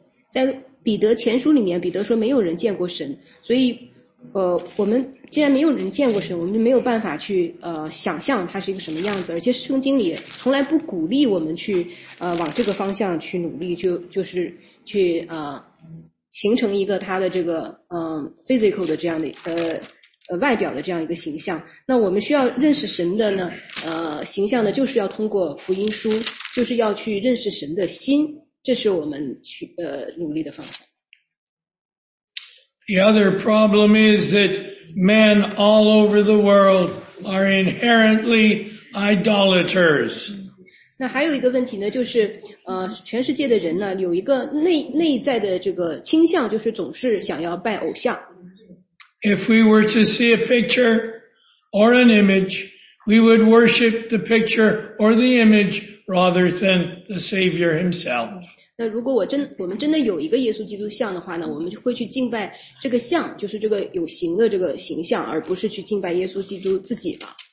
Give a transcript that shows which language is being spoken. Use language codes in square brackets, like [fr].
[zh] 在彼得前书里面，彼得说没有人见过神，所以我们既然没有人见过神，我们就没有办法去想象他是一个什么样子，而且圣经里从来不鼓励我们去往这个方向去努力，就是去形成一个他的这个physical 的这样的外表的这样一个形象。那我们需要认识神的呢形象呢，就是要通过福音书，就是要去认识神的心，这是我们去努力的方向。 [en] The other problem is that men all over the world are inherently idolaters. [zh] 那还有一个问题呢，就是全世界的人呢有一个内在的这个倾向，就是总是想要拜偶像。 [en] If we were to see a picture or an image, we would worship the picture or the image rather than the Savior himself. [zh] 那如果我们真的有一个耶稣基督像的话呢，我们就会去敬拜这个像，就是这个有形的这个形象，而不是去敬拜耶稣基督自己了。